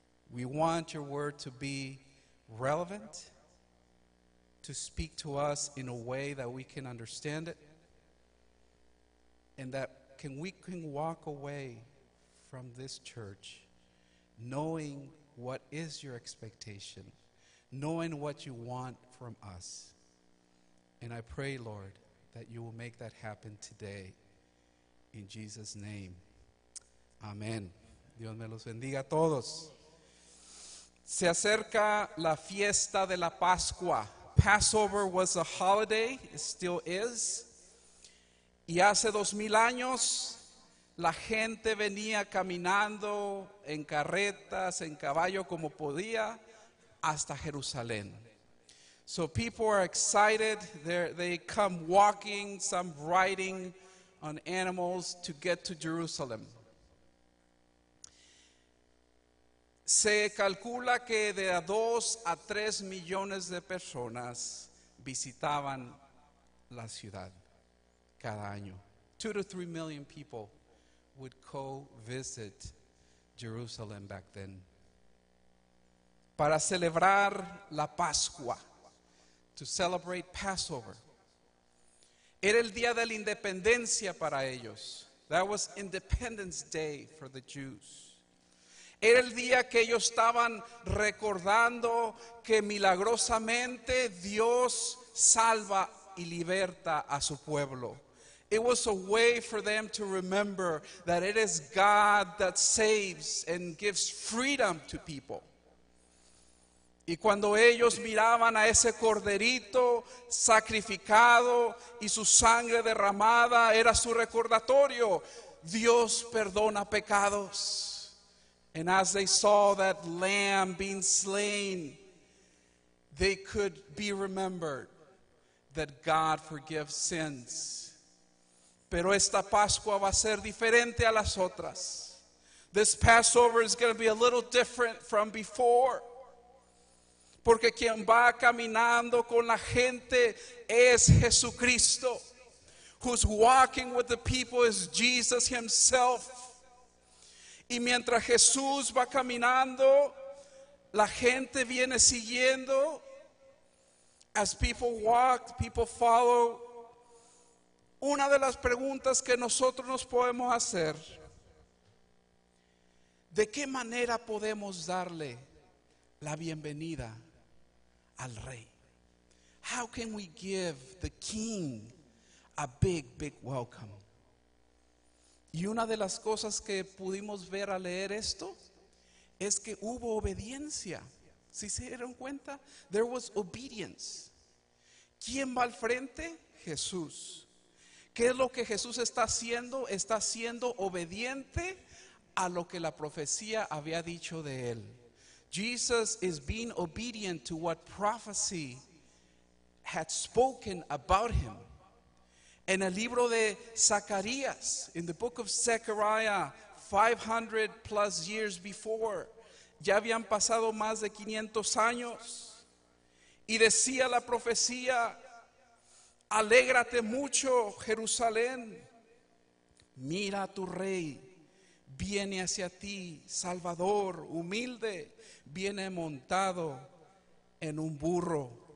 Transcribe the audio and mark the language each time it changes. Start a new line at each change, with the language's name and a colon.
English: We want your word to be relevant, to speak to us in a way that we can understand it, and that we can walk away from this church knowing what is your expectation, knowing what you want from us. And I pray, Lord, that you will make that happen today. In Jesus' name, amen.
Spanish: Dios me los bendiga a todos. Se acerca la fiesta de la Pascua.
English: Passover was a holiday, it still is.
Spanish: Y hace 2,000 años, la gente venía caminando en carretas, en caballo, como podía, hasta Jerusalén.
English: So people are excited. They come walking, some riding on animals to get to Jerusalem.
Spanish: Se calcula que de 2 a 3 millones de personas visitaban la ciudad cada año.
English: 2 to 3 million people would co-visit Jerusalem back then.
Spanish: Para celebrar la Pascua,
English: to celebrate Passover.
Spanish: Era el día de la independencia para ellos.
English: That was Independence Day for the Jews.
Spanish: Era el día que ellos estaban recordando que milagrosamente Dios salva y liberta a su pueblo.
English: It was a way for them to remember that it is God that saves and gives freedom to people.
Spanish: Y cuando ellos miraban a ese corderito sacrificado y su sangre derramada, era su recordatorio: Dios perdona pecados.
English: And as they saw that lamb being slain, they could be remembered that God forgives sins.
Spanish: Pero esta Pascua va a ser diferente a las otras.
English: This Passover is going to be a little different from before.
Spanish: Porque quien va caminando con la gente es Jesucristo.
English: Who's walking with the people is Jesus himself.
Spanish: Y mientras Jesús va caminando, la gente viene siguiendo.
English: As people walk, people follow.
Spanish: Una de las preguntas que nosotros nos podemos hacer, ¿de qué manera podemos darle la bienvenida al rey?
English: How can we give the king a big, big welcome?
Spanish: Y una de las cosas que pudimos ver al leer esto es que hubo obediencia. ¿Sí se dieron cuenta?
English: There was obedience.
Spanish: ¿Quién va al frente? Jesús. ¿Qué es lo que Jesús está haciendo? Está siendo obediente a lo que la profecía había dicho de él.
English: Jesus is being obedient to what prophecy had spoken about him.
Spanish: En el libro de Zacarías,
English: in the book of Zechariah,
Spanish: 500 plus years before, ya habían pasado más de 500 años, y decía la profecía, alégrate mucho, Jerusalén, mira a tu rey, viene hacia ti, salvador, humilde, viene montado en un burro.